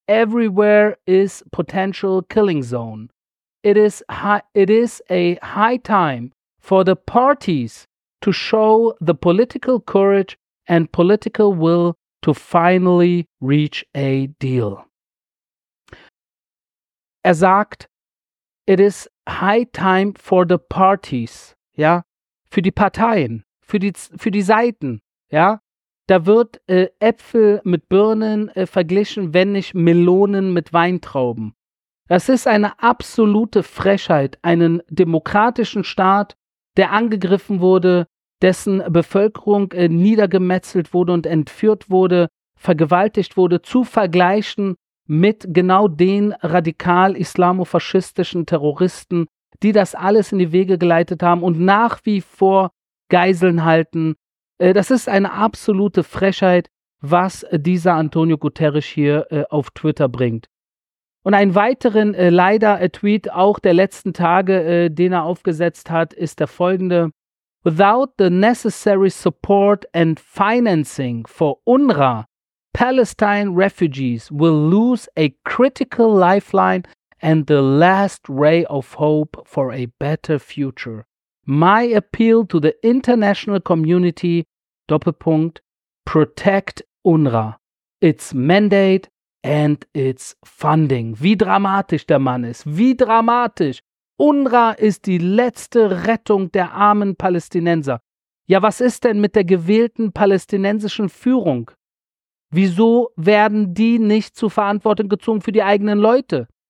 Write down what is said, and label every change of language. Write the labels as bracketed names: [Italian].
[English] Everywhere is potential killing zone. It is a high time for the parties to show the political courage and political will to finally reach a deal." [German] Er sagt, [English] it is high time for the parties, [German] ja, für die Parteien, für die Seiten, ja. Da wird Äpfel mit Birnen verglichen, wenn nicht Melonen mit Weintrauben. Das ist eine absolute Frechheit, einen demokratischen Staat, der angegriffen wurde, dessen Bevölkerung niedergemetzelt wurde und entführt wurde, vergewaltigt wurde, zu vergleichen mit genau den radikal-islamofaschistischen Terroristen, die das alles in die Wege geleitet haben und nach wie vor Geiseln halten. Das ist eine absolute Frechheit, was dieser Antonio Guterres hier auf Twitter bringt. Und einen weiteren Tweet auch der letzten Tage, den er aufgesetzt hat, ist der folgende: [English] "Without the necessary support and financing for UNRWA, Palestine refugees will lose a critical lifeline and the last ray of hope for a better future. My appeal to the international community, Doppelpunkt, protect UNRWA, its mandate and its funding. [German] Wie dramatisch der Mann ist, wie dramatisch. UNRWA ist die letzte Rettung der armen Palästinenser. Ja, was ist denn mit der gewählten palästinensischen Führung? Wieso werden die nicht zur Verantwortung gezogen für die eigenen Leute?